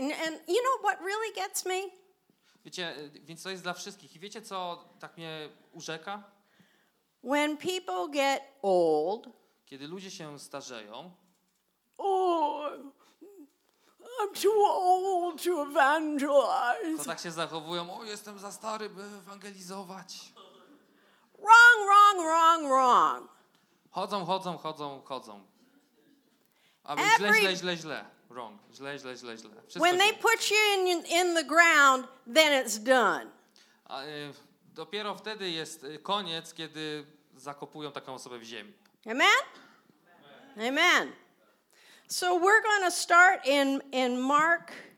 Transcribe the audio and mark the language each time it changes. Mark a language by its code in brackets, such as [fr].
[en] And you know what really gets me? [pl] Wiecie, więc to jest dla wszystkich. I wiecie, co tak mnie urzeka? [en] When people get old. [pl] Kiedy ludzie się starzeją. [en] Oh, I'm too old to evangelize. [pl] To tak się zachowują. O, jestem za stary, by ewangelizować. [en] Wrong, wrong, wrong, wrong. [pl] Chodzą, chodzą, chodzą, chodzą. Aby źle, źle, źle, źle. Wrong. Źle, źle, źle, źle. Wszystko [en] when [pl] źle. [en] They put you in the ground, then it's done. [pl] A, dopiero wtedy jest koniec, kiedy zakopują taką osobę w ziemi. [en] Amen? Amen. Amen. So we're going to start in Mark.